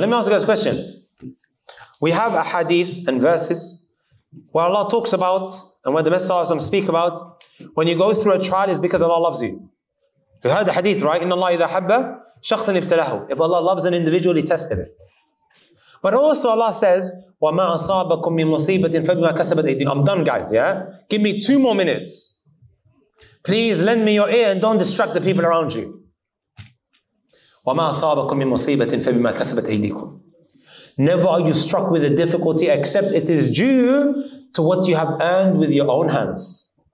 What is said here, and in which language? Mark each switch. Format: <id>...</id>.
<en>Let me ask you guys a question. We have a hadith and verses where Allah talks about, and where the Messenger speak about, when you go through a trial, it's because Allah loves you. You heard the hadith, right?</en> <ar>إِنَّ اللَّهِ إِذَا حَبَّ شَخْصًا إِبْتَلَهُ.</ar> <en>If Allah loves an individual, He tested it. But also Allah says,</en> <ar>وَمَا أَصَابَكُم مِّن مُصِيبَةٍ فَبِمَا كَسَبَتْ أَيْدِينَ.</ar> <en>I'm done, guys, yeah? Give me 2 more minutes. Please lend me your ear and don't distract the people around you.</en> <ar>وَمَا أَصَابَكُم مِّن مُصِيبَةٍ فَبِمَا كَسَبَتْ أَيْدِيكُم.</ar> <en>Never are you struck with a difficulty except it is due to what you have earned with your own hands.</en>